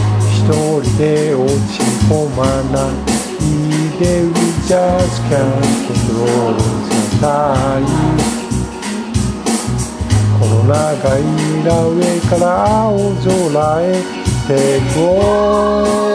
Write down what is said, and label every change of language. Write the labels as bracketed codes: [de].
[ja] 一人で落ち込まないで。 [en] We just can't control the time。 [ja] この長いランウェイから青空へ Take off。